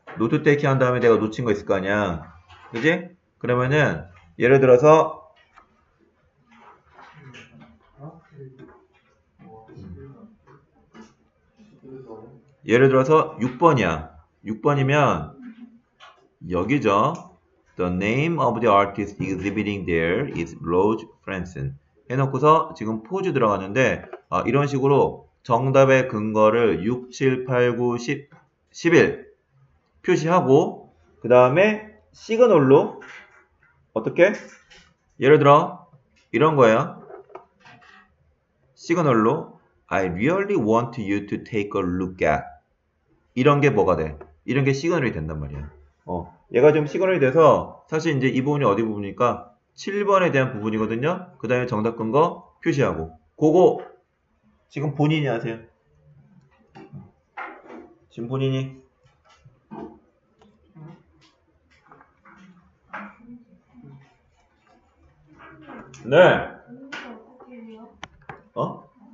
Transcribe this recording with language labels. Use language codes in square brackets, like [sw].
[ko] 노트 테이킹 한 다음에 내가 놓친 거 있을 거 아니야. 그지? 그러면은 예를 들어서 예를 들어서 6번이야. 6번이면 여기죠. [en] The name of the artist exhibiting there is Rose Franson. [ko] 해놓고서 지금 포즈 들어갔는데, 아, 이런 식으로 정답의 근거를 6, 7, 8, 9, 10, 11 표시하고, 그 다음에 시그널로, 어떻게? 예를 들어, 이런 거예요. [en] 시그널로, I really want you to take a look at. [ko] 이런 게 뭐가 돼? 이런 게 시그널이 된단 말이야. 얘가 좀 시그널이 돼서 사실 이제 이 부분이 어디 부분입니까? 7번에 대한 부분이거든요. 그 다음에 정답 근거 표시하고 그거 지금 본인이 하세요. 지금 본인이 네 어?